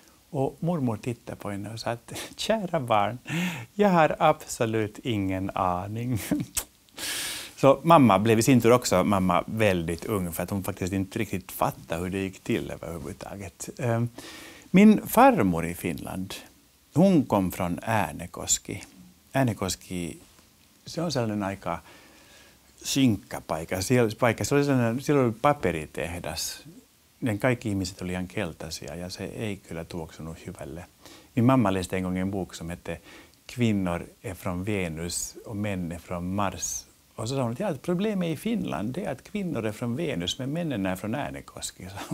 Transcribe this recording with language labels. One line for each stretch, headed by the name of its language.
Swedish: Och mormor tittade på henne och sa att kära barn, jag har absolut ingen aning. Så mamma blev i sin tur också mamma väldigt ung för att hon faktiskt inte riktigt fattade hur det gick till överhuvudtaget. Min farmor i Finland, hon kom från Äänekoski.
Finnish: Äänekoski, se on sellainen aika synkkä paikka. Siellä oli paperitehdas. Ne kaikki ihmiset oli ihan keltaisia ja se ei kyllä tuoksunut hyvälle.
Swedish: Min mamma läste en gång en bok som hette Kvinnor är från Venus och män är från Mars. Och så sa hon att ja, problemet i Finland är att kvinnor är från Venus men männen är från Äänekoski.